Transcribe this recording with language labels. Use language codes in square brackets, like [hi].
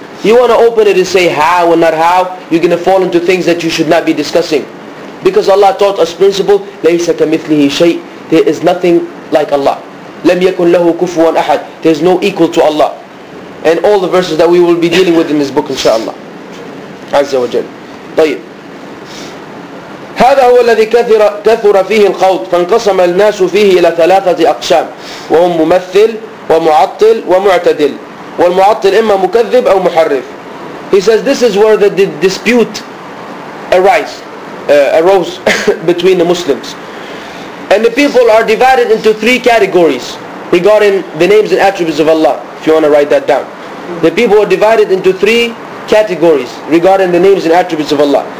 [en] You want to open it and say how and not how, you're going to fall into things that you should not be discussing. Because Allah taught us principle, [ar] لَيْسَ كَمِثْلِهِ شَيْءٍ. [en] There is nothing like Allah. [ar] لم يكن له كفوا أحد. [en] There is no equal to Allah. And all the verses that we will be dealing with in this book, inshallah. [ar] عز وجل. طيب. هذا هو الذي كثر فيه الخوض. فانقسم الناس فيه إلى ثلاثة أقسام. وهم ممثل ومعطل ومعتدل. والمعطل إما مكذب أو محرف. [en] He says this is where the dispute arose between the Muslims. And the people are divided into three categories regarding the names and attributes of Allah, if you want to write that down. The people are divided into three categories regarding the names and attributes of Allah.